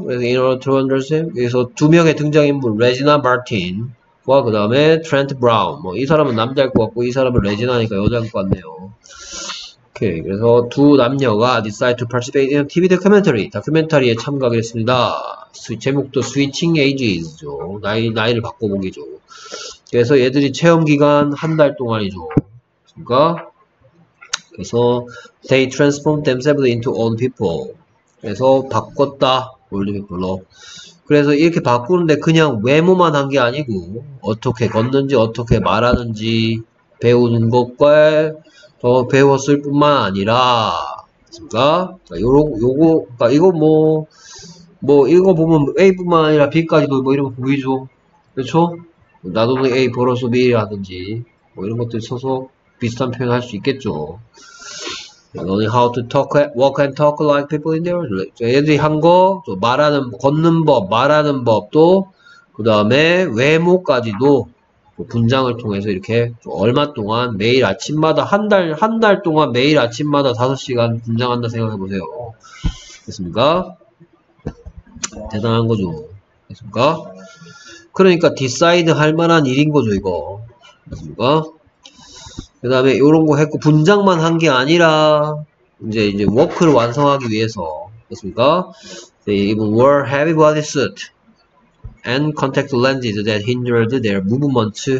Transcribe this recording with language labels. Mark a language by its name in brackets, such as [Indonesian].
[Korean] 그래서 [English] in order to understand, [Korean] 여기서 두 명의 등장인물 레지나 마틴과 그 다음에 트렌트 브라운, 뭐 이 사람은 남자일 것 같고 이 사람은 레지나니까 여자일 것 같네요. 오케이. 그래서 두 남녀가 [English] decide to participate in TV documentary. [Korean] 다큐멘터리에 참가하겠습니다. 제목도 Switching Ages죠. 나이를 바꿔보기죠. 그래서 얘들이 체험 기간 한 달 동안이죠. 그러니까 그래서 [English] they transformed themselves into old people. [Korean] 그래서 바꿨다. [English] old people [Korean] 로. 그래서 이렇게 바꾸는데 그냥 외모만 한 게 아니고 어떻게 걷는지 어떻게 말하는지 배우는 것과 더 배웠을 뿐만 아니라, 그니까, 그러니까 이거 뭐, 이거 보면 A뿐만 아니라 B까지도 뭐 이런 거 보이죠? 그렇죠? 나도 A 보러서 B라든지 뭐 이런 것들 써서 비슷한 표현을 할수 있겠죠. [English] Learning how to talk, walk and talk like people in their village. [Korean] 애들이 한 거, 또 말하는, 걷는 법, 말하는 법도, 그 다음에 외모까지도 분장을 통해서 이렇게 얼마 동안 매일 아침마다 한달 동안 매일 아침마다 5시간 분장한다 생각해 보세요. 됐습니까? 대단한 거죠. 됐습니까? 그러니까 디사이드 할 만한 일인 거죠, 이거. 됐습니까? 그 다음에 요런 거 했고 분장만 한게 아니라 이제 워크를 완성하기 위해서 됐습니까? [English] They even wore heavy bodysuit and contact lenses that hindered their movement.